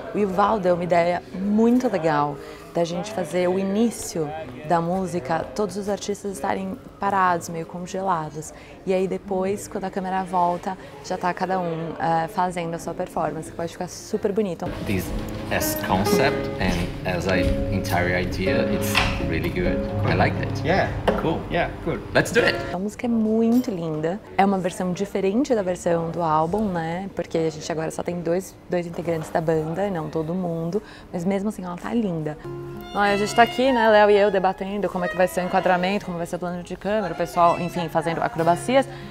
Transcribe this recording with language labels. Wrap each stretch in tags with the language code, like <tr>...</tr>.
<pt>O Yuval deu uma ideia muito legal da gente fazer o início da música, todos os artistas estarem parados, meio congelados. E aí depois, quando a câmera volta, já tá cada um fazendo a sua performance, que pode ficar super bonito.</pt> <en>As concept and as a entire idea, it's really good. I like it. Yeah, cool. Yeah, good. Let's do it.</en> <pt>A música é muito linda. É uma versão diferente da versão do álbum, né? Porque a gente agora só tem dois integrantes da banda, não todo mundo. Mas mesmo assim, ela tá linda. Olha, a gente tá aqui, né, Léo e eu, debatendo como é que vai ser o enquadramento, como vai ser o plano de câmera, o pessoal, enfim, fazendo acrobacias.</pt>